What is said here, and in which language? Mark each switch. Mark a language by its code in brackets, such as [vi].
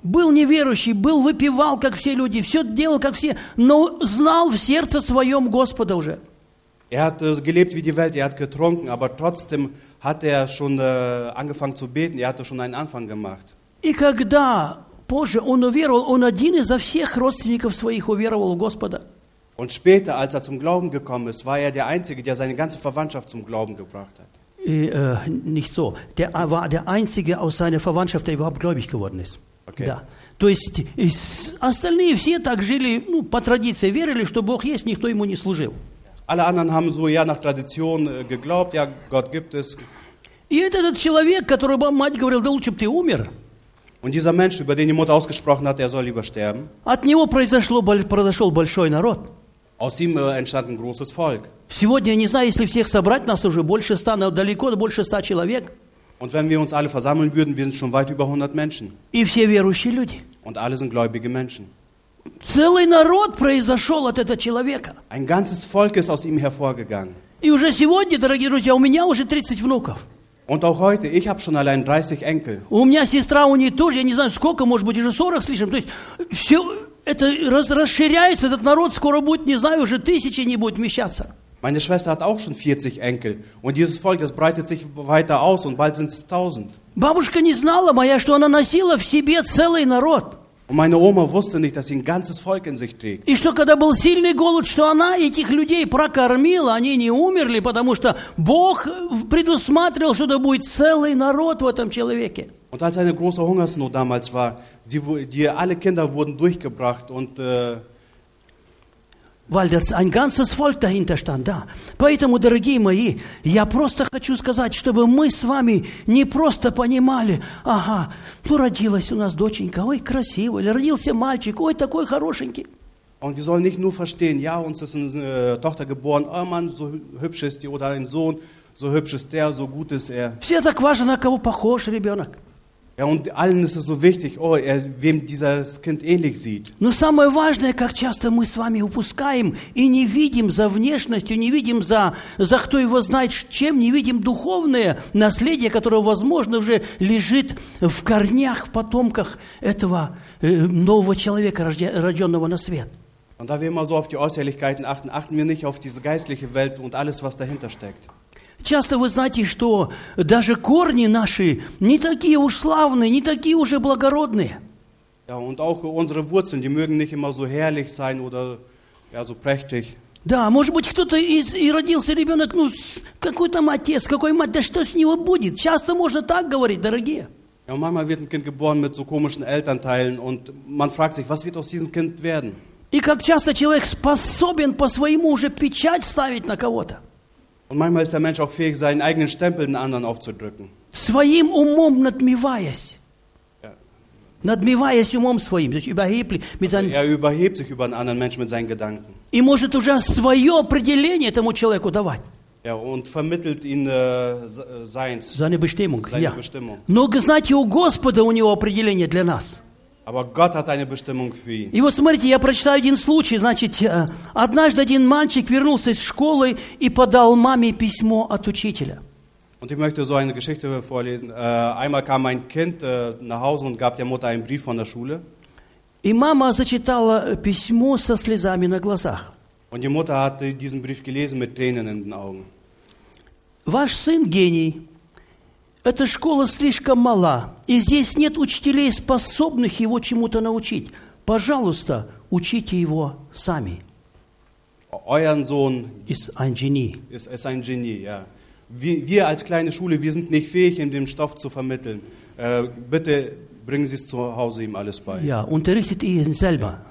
[ru] Был неверующий, был выпивал, как все люди, все делал, как все, но знал в сердце своем Господа уже. [de] Er hat gelebt wie die Welt, er hat getrunken, aber trotzdem hat er schon angefangen zu beten, er hatte schon einen Anfang gemacht. [ru] И когда позже он уверовал, он один из всех родственников своих уверовал в Господа. [de] Und später, als er zum Glauben gekommen ist, war er der Einzige, der seine ganze Verwandtschaft zum Glauben gebracht hat. [ru] И, [de] nicht so. Der war der einzige aus seiner Verwandtschaft, der überhaupt gläubig geworden ist. Okay. [ru] Да. То есть остальные все так жили, ну, по традиции верили, что Бог есть, никто ему не служил. [de] Alle anderen haben so ja nach Tradition geglaubt, ja Gott gibt es. [ru] И этот человек, которого мать говорила, да лучше бы ты умер. [de] Und dieser Mensch, über den die Mutter ausgesprochen hat, er soll lieber sterben. [ru] От него произошел большой народ. [de] Aus ihm entstand ein großes Volk. [ru] Сегодня, я не знаю, если всех собрать, нас уже больше 100, далеко больше 100 человек. [de] Und wenn wir uns alle versammeln würden, wir sind schon weit über 100 Menschen. [ru] И все верующие люди. [de] Und alle sind gläubige Menschen. [ru] Целый народ произошел от этого человека. [de] Ein ganzes Volk ist aus ihm hervorgegangen. [ru] И уже сегодня, дорогие друзья, у меня уже 30 внуков. [de] Und auch heute, ich habe schon allein 30 Enkel. [ru] У меня сестра, у нее тоже, я не знаю, сколько, может быть, уже 40 с лишним. То есть все это расширяется, этот народ скоро будет, не знаю, уже тысячи не будет вмещаться. [de] Meine Schwester hat auch schon 40 Enkel. Und dieses Volk, das breitet sich weiter aus und bald sind es 1000. [ru] Бабушка не знала моя, что она носила в себе целый народ. [de] Und meine Oma wusste nicht, dass sie ein ganzes Volk in sich trägt. [ru] И что, когда был сильный голод, что она этих людей прокормила, они не умерли, потому что Бог предусматривал, что это будет целый народ в этом человеке. [de] Und als eine große Hungersnot damals war, die alle Kinder wurden durchgebracht und... Weil das ein ganzes Volk dahinter stand, [ru] да. Поэтому, дорогие мои, я просто хочу сказать, чтобы мы с вами не просто понимали, ага, ну родилась у нас доченька, ой, красиво, или родился мальчик, ой, такой хорошенький. [de] Und wir sollen nicht nur verstehen, ja, uns ist eine Tochter geboren, oh Mann, so hübsch ist die, oder ein Sohn, so hübsch ist der, so gut ist er. [ru] Все так важно, на кого похож ребенок. [de] Ja, und allen ist es so wichtig, oh, wem dieses Kind ähnlich sieht. [ru] Но самое важное, как часто мы с вами упускаем и не видим за внешностью, не видим за кто его знает чем, не видим духовное наследие, которое, возможно, уже лежит в корнях, в потомках этого нового человека, рожденного на свет. [de] Und da wir immer so auf die Äußerlichkeiten achten, achten wir nicht auf diese geistliche Welt und alles, was dahinter steckt. [ru] Часто вы знаете, что даже корни наши не такие уж славные, не такие уж благородные. [de] Ja, und auch unsere Wurzeln, die mögen nicht immer so herrlich sein oder ja, so prächtig. [ru] Да, может быть, кто-то из и родился ребенок, ну какой там отец, какой мать, да что с него будет? Часто можно так говорить, дорогие. [de] Ja, und manchmal wird ein Kind geboren mit so komischen Elternteilen und man fragt sich, was wird aus diesem Kind werden? [ru] И как часто человек способен по своему уже печать ставить на кого-то? [de] Und manchmal ist der Mensch auch fähig, seinen eigenen Stempel den anderen aufzudrücken. [ru] Своим умом надмиваясь. Надмиваясь умом своим. [de] Er überhebt sich über einen anderen Menschen mit seinen Gedanken. [ru] И может уже свое определение этому человеку давать. [de] Ja, und vermittelt ihn seins. Seine Bestimmung. Seine Bestimmung. [ru] Но, знаете, у Господа у него определение для нас. [de] Aber Gott hat eine Bestimmung für ihn. [ru] И вот смотрите, я прочитаю один случай. Значит, однажды один мальчик вернулся из школы и подал маме письмо от учителя. [de] Und ich möchte so eine Geschichte vorlesen. Einmal kam mein Kind nach Hause und gab der Mutter einen Brief von der Schule. [ru] И мама зачитала письмо со слезами на глазах. [de] Und die Mutter hat diesen Brief gelesen mit Tränen in den Augen. [ru] Ваш сын гений. Эта школа слишком мала, и здесь нет учителей, способных его чему-то научить. Пожалуйста, учите его сами. [de] Euer Sohn ist ein Genie. Ist ein Genie, ja. Wir als kleine Schule, wir sind nicht fähig, ihm den Stoff zu vermitteln. Bitte bringen Sie es zu Hause ihm alles bei. Ja, unterrichtet ihn selber.